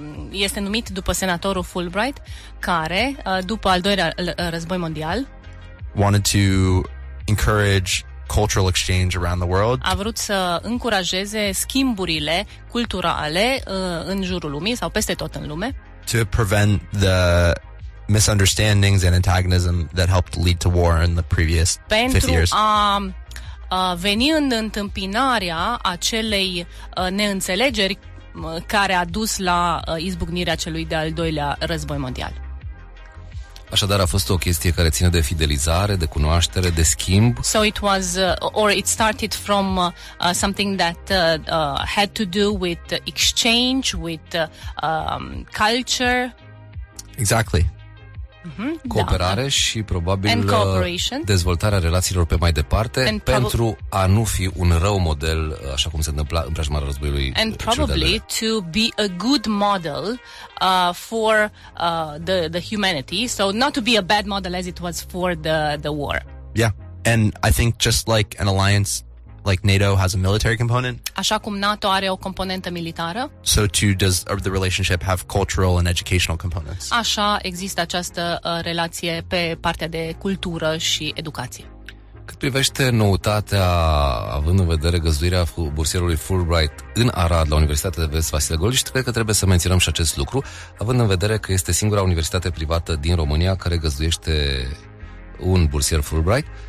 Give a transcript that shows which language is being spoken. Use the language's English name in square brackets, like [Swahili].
[Romanian] este numit după senatorul Fulbright, care, după al doilea război mondial, [English] wanted to encourage cultural exchange around the world. [Romanian] A vrut să încurajeze schimburile culturale în jurul lumii sau peste tot în lume. [English] To prevent the misunderstandings and antagonism that helped lead to war in the previous 50 years. [Romanian] Veni în întâmpinarea acelei neînțelegeri care a dus la izbucnirea celui de-al doilea război mondial. Așadar, a fost o chestie care ține de fidelizare, de cunoaștere, de schimb. [English] So it was, or it started from something that had to do with exchange, with culture. Exactly. Cooperare, [Romanian] da. Și probabil dezvoltarea relațiilor pe mai departe pentru a nu fi un rău model, așa cum se întâmpla în preajma războiului. [English] And probably to be a good model for the humanity, so not to be a bad model as it was for the war. Yeah, and I think just like an alliance, like NATO has a military component. [Romanian] Așa cum NATO are o componentă militară. [English] So too does the relationship have cultural and educational components. [Romanian] Așa există această relație pe partea de cultură și educație. Cât privește noutatea, având în vedere găzduirea bursierului Fulbright în Arad, la Universitatea de Vest Vasile Golgi, cred că trebuie să menționăm și acest lucru, având în vedere că este singura universitate privată din România care găzduiește un bursier Fulbright.